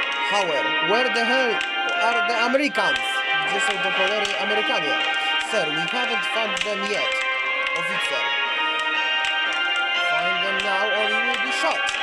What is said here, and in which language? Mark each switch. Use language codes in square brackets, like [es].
[en] Howard, where the hell are the Americans? [pl] Gdzie są do cholery Amerykanie? [en] Sir, we haven't found them yet. Officer. Find them now or you will be shot.